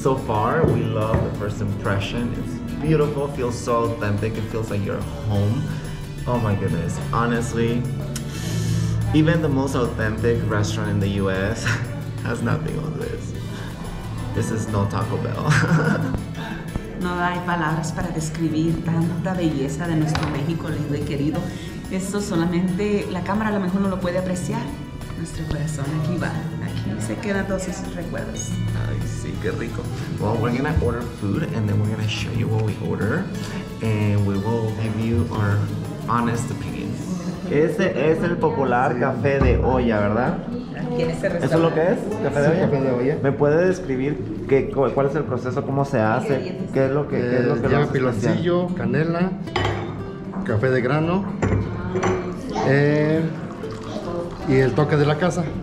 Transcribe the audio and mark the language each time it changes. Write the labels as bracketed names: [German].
[English] So far, we love the first impression. It's beautiful, feels so authentic. It feels like you're home. Oh my goodness. Honestly, even the most authentic restaurant in the US has nothing on this. This is no Taco Bell. [Spanish] No hay palabras para describir tanta belleza de nuestro México lindo y querido. Esto solamente la cámara a lo mejor no lo puede apreciar. Nuestro corazón aquí va. Se quedan todos esos recuerdos. Ay, sí, qué rico. [English] Well, we're gonna order food and then we're gonna show you what we order. And we will give you our honest opinions. [Spanish] Ese es el popular café de olla, ¿verdad? ¿Eso es lo que es? ¿Café de olla? ¿Me puede describir cuál es el proceso, cómo se hace? ¿Qué es lo que lleva piloncillo, canela, café de grano y el toque de la casa?